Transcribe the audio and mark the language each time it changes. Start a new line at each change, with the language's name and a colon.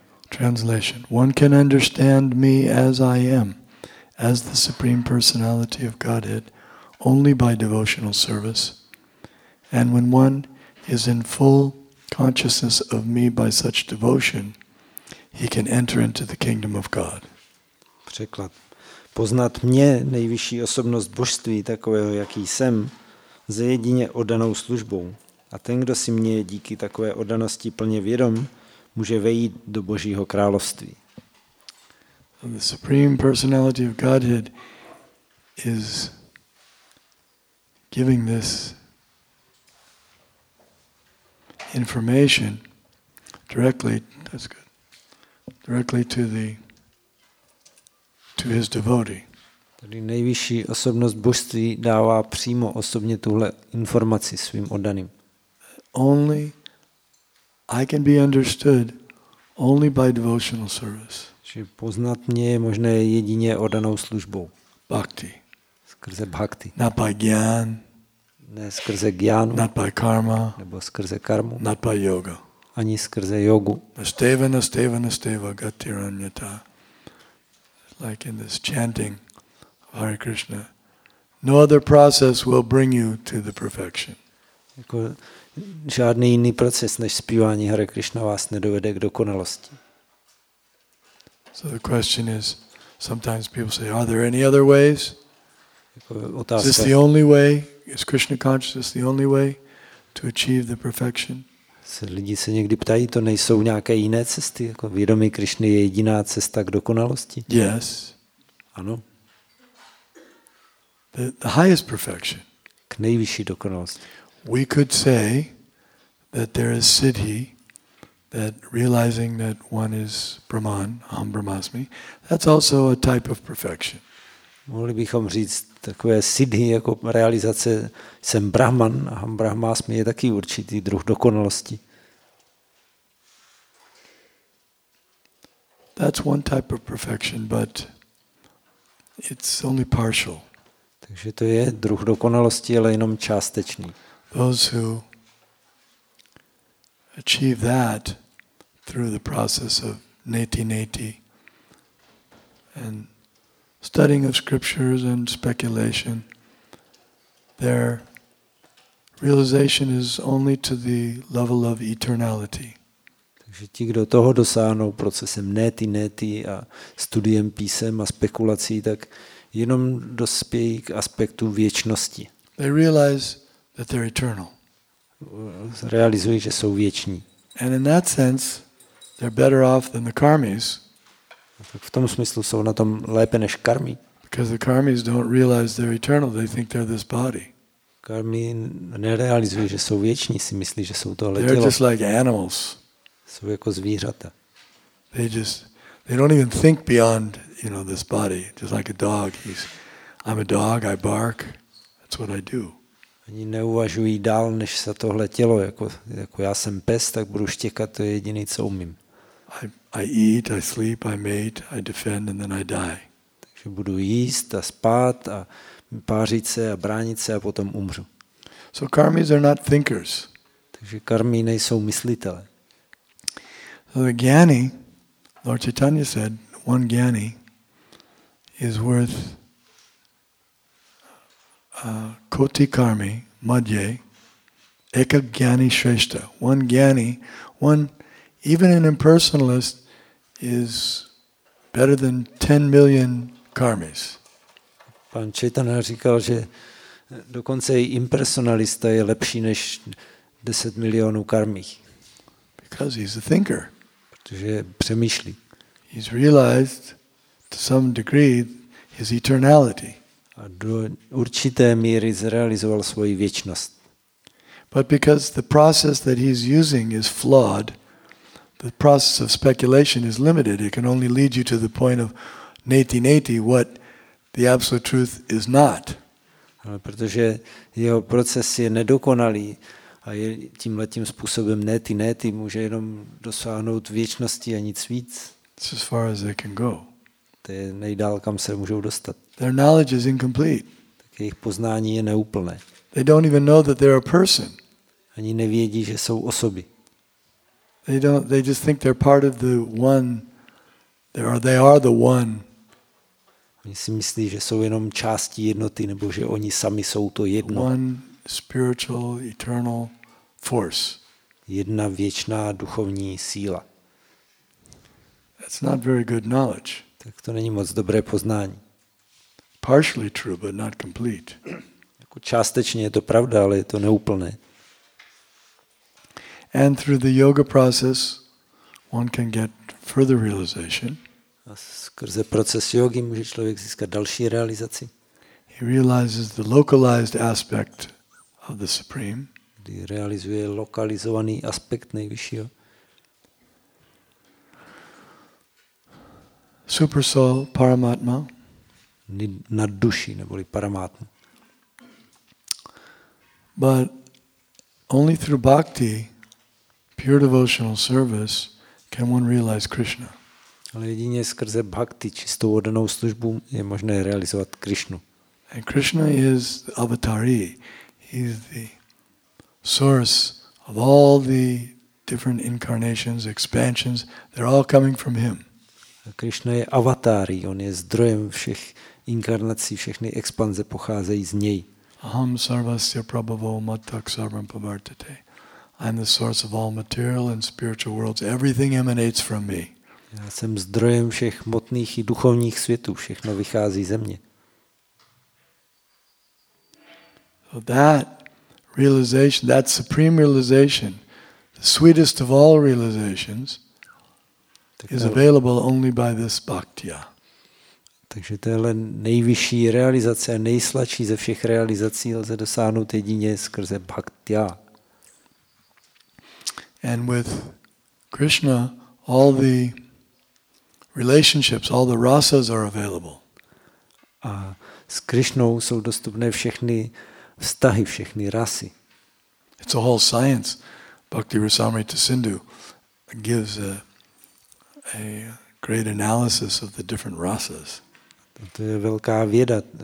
English: Translation: one can understand me as I am, as the Supreme Personality of Godhead, only by devotional service, and when one is in full consciousness of me by such devotion, he can enter into the kingdom of God.
Czech: Překlad. Poznat mě, nejvyšší osobnost božství, takového, jaký jsem, ze jedině oddanou službou. A ten, kdo si mě díky takové oddanosti plně vědom, může vejít do Božího království.
English: The Supreme Personality of Godhead is giving this information directly to his devotee.
Czech: Tedy nejvyšší osobnost božství dává přímo osobně tuhle informaci svým oddaným.
English: Only I can be understood only by devotional service.
Czech: Že poznat mě je možné jedině oddanou službou.
English: Bhakti.
Czech: Skrze bhakti.
English: Not by gyan.
Czech: Ne skrze gyanu,
English: not by karma,
Czech: nebo skrze karmu,
English: not by yoga,
Czech: ani skrze jogu.
Sanskrit: Nasteva gatiranyata,
English: like in this chanting of Hare Krishna, no other process will bring you to the perfection.
Czech: Jako žádný jiný proces než zpívání Hare Krishna vás nedovede k dokonalosti.
English: So the question is, sometimes people say, are there any other ways?
Czech: Otázka.
English: Is this the only way? Is Krishna consciousness the only way to achieve the perfection?
Czech: Lidi se někdy ptají, to nejsou nějaké jiné cesty? Jako vědomí Krishny je jediná cesta k dokonalosti?
English: Yes.
Czech: Ano.
English: The highest perfection.
Czech: K nejvyšší dokonalosti.
English: We could say that there is siddhi, that realizing that one is Brahman,
Sanskrit: aham brahmasmi,
English: that's also a type of perfection.
Czech: Mohli bychom říct, takové siddhi, jako realizace jsem Brahman,
Sanskrit: aham brahmasmi,
Czech: je taky určitý druh dokonalosti.
English: That's one type of perfection, but it's only partial.
Czech: Takže to je druh dokonalosti, ale jenom částečný.
English: Those who achieve that through the process of neti-neti and studying of scriptures and speculation, their realization is only to the level of eternality.
Czech: Takže ti, kdo toho dosáhnou procesem neti-neti a studiem písem a spekulací, tak jenom dospějí k aspektu věčnosti.
English: They realize that they're eternal.
Czech: Realizují, že jsou věční.
English: And in that sense, they're better off than the karmis.
Czech: V tom smyslu jsou na tom lépe než karmi.
English: Because the karmis don't realize they're eternal. They think they're this body.
Czech: Karmi nerealizují, že jsou věční, si myslí, že jsou tohle tělo.
English: They're just like animals.
Czech: Jsou jako zvířata.
English: They don't even think beyond, you know, this body. Just like a dog. I'm a dog. I bark. That's what I do.
Czech: Oni neuvažují dál než se tohle tělo, jako já jsem pes, tak budu štěkat, to je jediné, co umím.
English: I eat, I sleep, I mate, I defend and then I die.
Czech: Takže budu jíst a spát a pářit se a bránit se a potom umřu.
English: So karmis are not thinkers.
Czech: Takže karmi nejsou myslitelé.
English: So the gyani, Lord Chaitanya said, one gyani is worth
Sanskrit: koti karmi madhye eka gyani shreshta.
English: One gyani, one even an impersonalist is better than 10 million karmis.
Czech: Pan Chaitanya říkal, že dokonce i impersonalista je lepší než 10 milionů karmich.
English: Because he's a thinker.
Czech: Protože přemýšlí.
English: He's realized to some degree his eternality.
Czech: A do určité míry zrealizoval svoji věčnost.
English: But because the process that he's using is flawed, the process of speculation is limited. It can only lead you to the point of neti-neti, what the absolute truth is not.
Czech: Ale protože jeho proces je nedokonalý a je tímhletím způsobem neti-neti, může jenom dosáhnout věčnosti a nic víc.
English: It's as far as they can go.
Czech: To je nejdál, kam se můžou dostat.
English: Their knowledge is incomplete.
Czech: Tak jejich poznání je neúplné.
English: They don't even know that they're a person.
Czech: Ani nevědí, že jsou osoby.
English: They just think they're part of the one. They are the one.
Czech: Oni si myslí, že jsou jenom částí jednoty, nebo že oni sami jsou to jedno.
English: One spiritual eternal force.
Czech: Jedna věčná duchovní síla.
English: That's not very good knowledge.
Czech: Tak to není moc dobré poznání.
English: Partially true, but not complete.
Czech: Jako částečně je to pravda, ale je to neúplné.
English: And through the yoga process, one can get further realization.
Czech: A skrze proces jógy může člověk získat další realizaci.
English: He realizes the localized aspect of the supreme.
Czech: Kdy realizuje lokalizovaný aspekt nejvyššího.
English: Supersoul, paramatma.
Czech: Nad duši, neboli paramatma.
English: But only through bhakti, pure devotional service, can one realize Krishna.
Czech: Ale jedině skrze bhakti, čistou oddanou službu, je možné realizovat Krishnu.
English: And Krishna is the avatari. He is the source of all the different incarnations, expansions. They're all coming from him.
Czech: Krishna je avatári, on je zdrojem všech inkarnací, všechny expanze pocházejí z něj.
Sanskrit: Aham sarvasya prabhavo mattak sarvam pavartate.
English: I am the source of all material and spiritual worlds. Everything emanates from me.
Czech: Já jsem zdrojem všech hmotných i duchovních světů, všechno vychází ze mě.
English: So that realization, that supreme realization, the sweetest of all realizations, is available only by this bhakti.
Czech: Takže tohle nejvyšší realizace a nejsladší ze všech realizací lze dosáhnout jedině skrze bhakti.
English: And with Krishna all the relationships, all the rasas are available.
Czech: A s Krishnou jsou dostupné všechny vztahy, všechny rasy.
English: It's a whole science. Bhakti Rasamrita Sindhu gives a great analysis of the different rasas.
Czech: To To je velká věda.